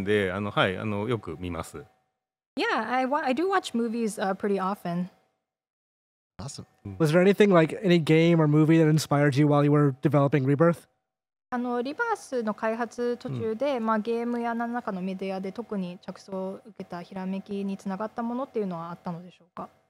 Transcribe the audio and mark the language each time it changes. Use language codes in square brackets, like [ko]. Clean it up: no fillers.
[ja] 映画やテレビ番組で見てるものありますか?結構映画はやっぱり単発で見れるんで、よく見ます。 [en] Yeah, I do watch movies pretty often. Awesome. Was there anything like any game or movie that inspired you while you were developing Rebirth? [ja] リバースの開発途中で、ゲームや何らかのメディアで特に着想を受けたひらめきにつながったものっていうのはあったのでしょうか?